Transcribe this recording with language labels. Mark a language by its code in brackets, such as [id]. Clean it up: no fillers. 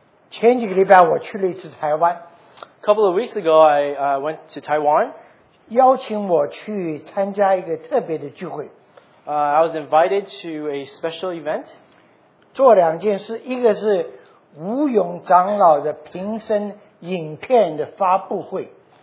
[zh] 前几个礼拜我去了一次台湾。 [en] A couple of weeks ago, I went to Taiwan. [zh] 邀请我去参加一个特别的聚会。 [en] I was invited to a special event. [zh] 做两件事，一个是吴勇长老的平生影片的发布会。